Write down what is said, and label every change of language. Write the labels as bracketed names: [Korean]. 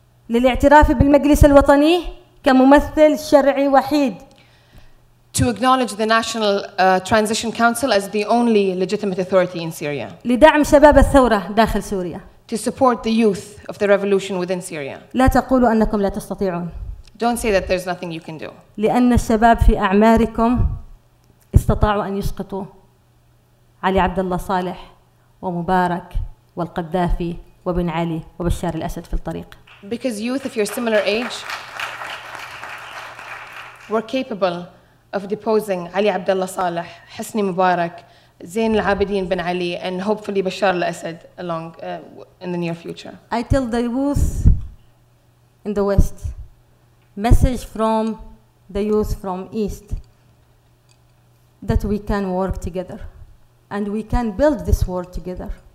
[Arabic] للاعتراف بالمجلس الوطني. كممثل شرعي وحيد. [English] To acknowledge the National Transition Council as the only legitimate authority in Syria. [Arabic] لدعم شباب الثورة داخل سوريا. [English] To support the youth of the revolution within Syria. [Arabic] لا تقولوا أنكم لا تستطيعون. [English] Don't say that there's nothing you can do. [Arabic] لأن الشباب في أعماركم استطاعوا أن يسقطوا علي عبد الله صالح ومبارك والقذافي وبن علي وبشار الأسد في الطريق. [English] Because youth of your similar age were capable of deposing Ali Abdullah Saleh, Hosni Mubarak, Zain al-Abidin bin Ali, and hopefully Bashar al-Assad along in the near future. I tell the youth in the West, message from the youth from East, that we can work together and we can build this world together.